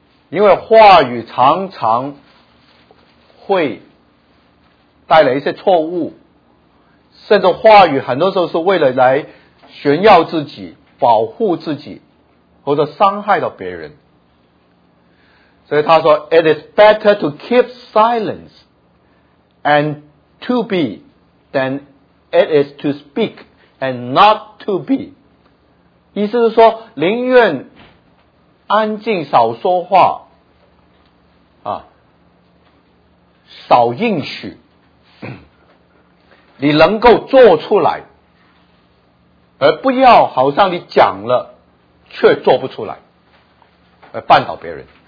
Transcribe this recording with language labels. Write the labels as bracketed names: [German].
[Chinese] 因为话语常常会带来一些错误，甚至话语很多时候是为了来炫耀自己、保护自己，或者伤害到别人。所以他说 [English] It is better to keep silence and to be than it is to speak and not to be。 [Chinese] 意思是说宁愿安静少说话啊，少应许，你能够做出来，而不要好像你讲了却做不出来而绊倒别人。